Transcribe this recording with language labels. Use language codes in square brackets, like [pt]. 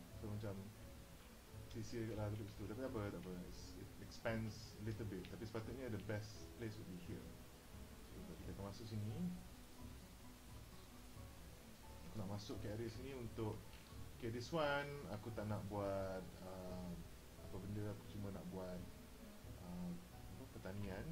[ms] So macam sisi lah dari situ. Tapi apa, tak apa. [en] It expands a little bit. [ms] Tapi sepatutnya [en] the best place would be here. [ms] So kita akan masuk sini. Aku nak masuk ke area sini untuk okay, [en] this one [ms] aku tak nak buat apa benda, aku cuma nak buat pertanian.